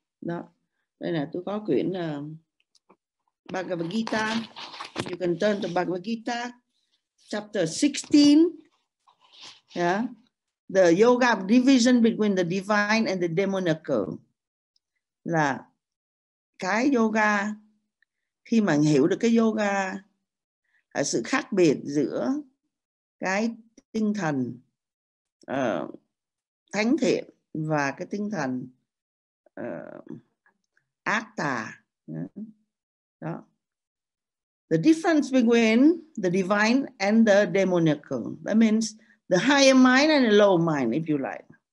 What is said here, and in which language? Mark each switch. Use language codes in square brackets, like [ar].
[vi] Đó, đây là tôi có quyển Bhagavad Gita. [en] You can turn to Bhagavad Gita chapter 16. Yeah, the yoga division between the divine and the demonical. [vi] Là cái yoga, khi mà hiểu được cái yoga là sự khác biệt giữa cái tinh thần thánh thiện và cái tinh thần ác tà. Đó. [en] The difference between the divine and the demonical. That means the higher mind and the low mind, if you like.